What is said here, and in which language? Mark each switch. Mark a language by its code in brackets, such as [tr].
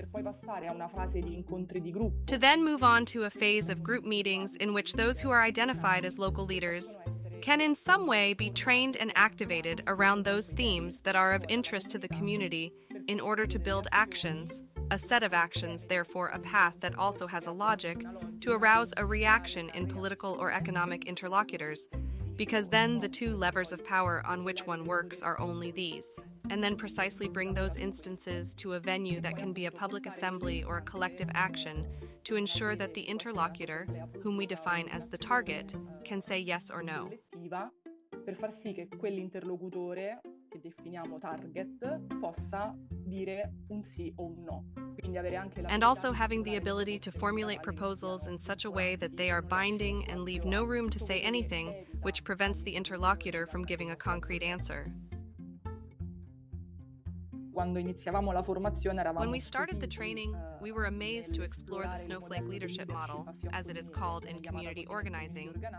[en] To then move on to a phase of group meetings in which those who are identified as local leaders can in some way be trained and activated around those themes that are of interest to the community in order to build actions, a set of actions, therefore a path that also has a logic, to arouse a reaction in political or economic interlocutors, because then the two levers of power on which one works are only these. And then precisely bring those instances to a venue that can be a public assembly or a collective action to ensure that the interlocutor, whom we define as the target, can say yes or no. [it] Per far sì che quell'interlocutore che definiamo target possa dire un sì o un no. [en] And also having the ability to formulate proposals in such a way that they are binding and leave no room to say anything which prevents the interlocutor from giving a concrete answer. When we started the training, we were amazed to explore the snowflake leadership model, as it is called in community organizing.